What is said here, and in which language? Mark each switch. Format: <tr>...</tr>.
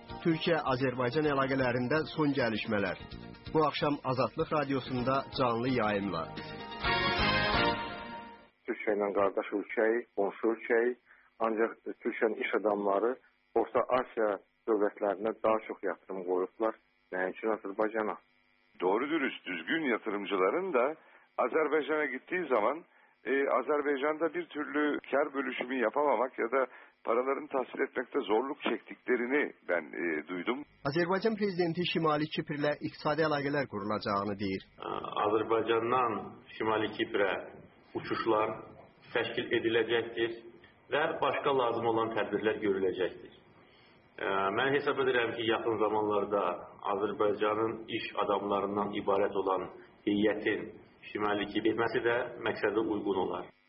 <az>Türkiyə-Azərbaycan əlaqələrində son gəlişmələr. Bu axşam Azadlıq Radiosunda canlı yayın var. Türkiyə ilə qardaş ölkəyi, qonşu ölkəyi, ancaq Türkiyənin iş adamları Orta Asiya dövlətlərinə daha çox yatırım qoyublar, nəinki Azərbaycana.</az> <tr>Doğru dürüst, düzgün yatırımcıların da Azərbaycana gittiği zaman Azərbaycanda bir türlü kar bölüşümü yapamamak ya da paralarını tahsil etmekte zorluk çektiklerini ben duydum.</tr> <az>Azərbaycan Prezidenti Şimali Kipr'lə iqtisadi əlaqələr qurulacağını deyir. Azərbaycandan Şimali Kipr'ə uçuşlar təşkil ediləcəkdir. Və başqa lazım olan tədbirlər görüləcəkdir. Mən hesab edirəm ki, yaxın zamanlarda Azərbaycanın iş adamlarından ibarət olan heyətin şimali kibirməsi də məqsədə uyğun olar.</az>